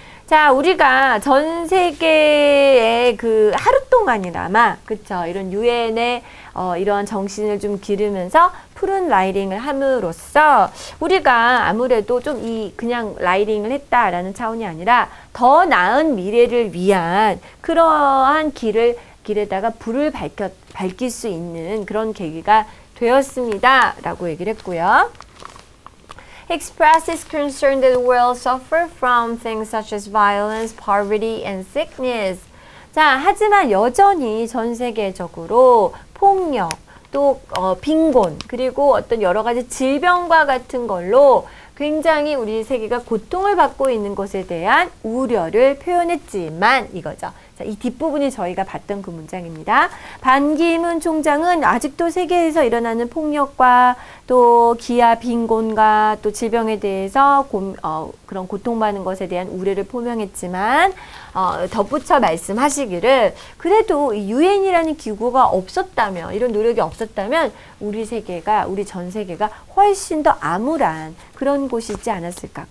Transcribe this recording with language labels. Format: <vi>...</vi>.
<ko>자, 우리가 전 세계에 그 하루 동안이나마, 그쵸, 이런 UN의 이러한 정신을 좀 기르면서 푸른 라이딩을 함으로써 우리가 아무래도 좀 이 그냥 라이딩을 했다라는 차원이 아니라 더 나은 미래를 위한 그러한 길에다가 불을 밝힐 수 있는 그런 계기가 되었습니다. 라고 얘기를 했고요.</ko> <en>He expressed his concern that the world suffer from things such as violence, poverty, and sickness.</en> <ko>자, 하지만 여전히 전 세계적으로 폭력, 또 빈곤, 그리고 어떤 여러 가지 질병과 같은 걸로 굉장히 우리 세계가 고통을 받고 있는 것에 대한 우려를 표현했지만 이거죠. 자, 이 뒷부분이 저희가 봤던 그 문장입니다. 반 기문 총장은 아직도 세계에서 일어나는 폭력과 또 기아 빈곤과 또 질병에 대해서 그런 고통받는 것에 대한 우려를 표명했지만 덧붙여 말씀하시기를 그래도 유엔이라는 기구가 없었다면 이런 노력이 없었다면 우리 세계가 우리 전 세계가 훨씬 더 암울한 그런 곳이지 않았을까.</ko>